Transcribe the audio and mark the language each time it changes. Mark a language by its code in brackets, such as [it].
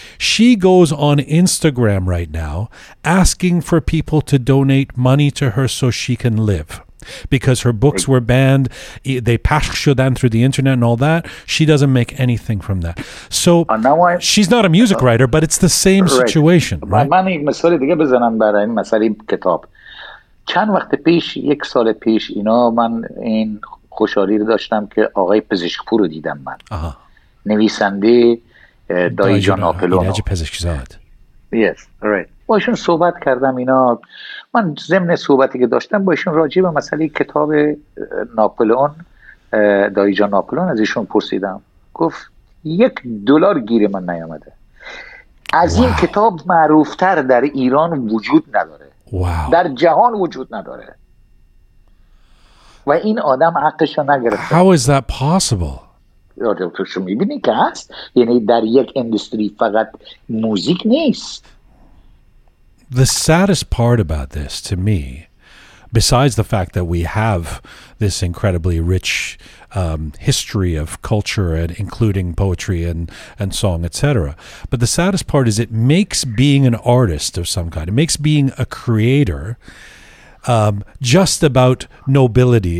[en] She goes on Instagram right now asking for people to donate money to her so she can live. Because her books were banned, they passed Shodan through the internet and all that. She doesn't make anything from that. So now she's not a music writer, but it's the same right. situation. Right? [fa] من یک مثال دیگه بزنم برای این مثال کتاب. چند وقت پیش، یک سال پیش، اینا من این خوشحالی رو داشتم که آقای پزشکپور رو دیدم من. Aha. نویسنده دایی جان آپلونو. دایی جان پزشکزاد. [en] Yes, right. [fa] با ایشون صحبت کردم اینا، من ضمن صحبتی که داشتم با ایشون راجع به مسئله کتاب ناپلئون، دایی جان ناپلئون، از ایشون پرسیدم، گفت یک دلار گیر من نیامده از این کتاب معروفتر در ایران وجود نداره، در جهان وجود نداره و این آدم حقشو نگرفته. [en] How is that possible؟ [fa] تو شو میبینی که هست، یعنی در یک اندستری فقط موزیک نیست. [en] The saddest part about this to me, besides the fact that we have this incredibly rich history of culture and including poetry and song, etc., but the saddest part is it makes being an artist of some kind, it makes being a creator just about nobility.